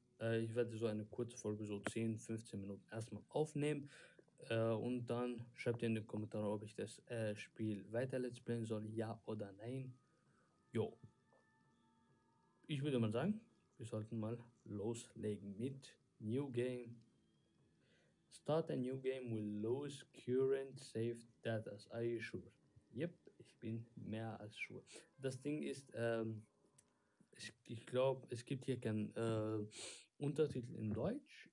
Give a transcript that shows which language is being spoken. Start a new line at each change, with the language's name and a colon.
German: Ich werde so eine kurze Folge, so 10, 15 Minuten erstmal aufnehmen. Und dann schreibt ihr in den Kommentaren, ob ich das Spiel weiter Let's Playen soll, ja oder nein. Jo. Ich würde mal sagen, wir sollten mal loslegen mit New Game.
English: Start a new game with Lowe's current saved data. Are you sure? Yep,
German: ich bin mehr als sure. Das Ding ist, ich glaube, es gibt hier keinen Untertitel in Deutsch.